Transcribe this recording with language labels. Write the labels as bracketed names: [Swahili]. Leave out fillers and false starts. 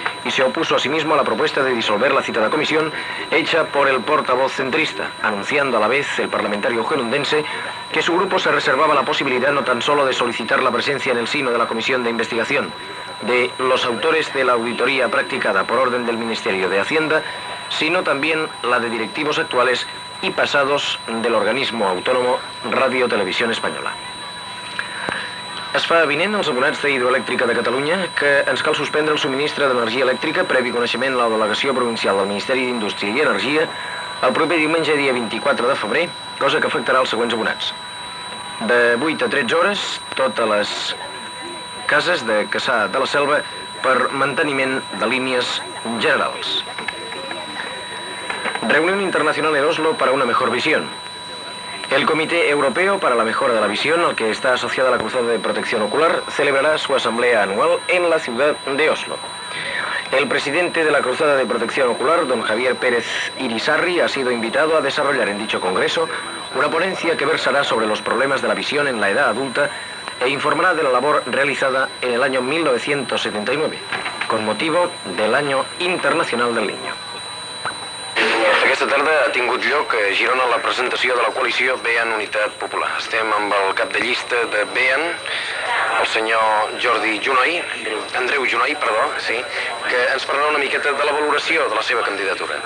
[Spanish] y se opuso asimismo a la propuesta de disolver la citada comisión hecha por el portavoz centrista, anunciando a la vez el parlamentario gerundense que su grupo se reservaba la posibilidad no tan solo de solicitar la presencia en el seno de la Comisión de Investigación de los autores de la auditoría practicada por orden del Ministerio de Hacienda, sino también la de directivos actuales y pasados del organismo autónomo Radio Televisión Española. [Catalan] Es fa avinent als abonats d'Hidroelèctrica de Catalunya que ens cal suspendre el subministre d'energia elèctrica previ coneixement a la delegació provincial del Ministeri d'Indústria i Energia el proper diumenge dia 24 de febrer, cosa que afectarà els següents abonats. De 8 a 13 hores, totes les cases de Cassà de la Selva per manteniment de línies generals. [Spanish] Reunión internacional en Oslo para una mejor visión. El Comité Europeo para la Mejora de la Visión, al que está asociada la Cruzada de Protección Ocular, celebrará su asamblea anual en la ciudad de Oslo. El presidente de la Cruzada de Protección Ocular, don Javier Pérez Irisarri, ha sido invitado a desarrollar en dicho congreso una ponencia que versará sobre los problemas de la visión en la edad adulta e informará de la labor realizada en el año 1979, con motivo del Año Internacional del Niño. [Catalan] Aquesta tarda ha tingut lloc a Girona la presentació de la coalició BEAN Unitat Popular. Estem amb el cap de llista de BEAN, el senyor Jordi Junoy, Andreu Junoy, perdó, sí, que ens parlarà una miqueta de la valoració de la seva candidatura.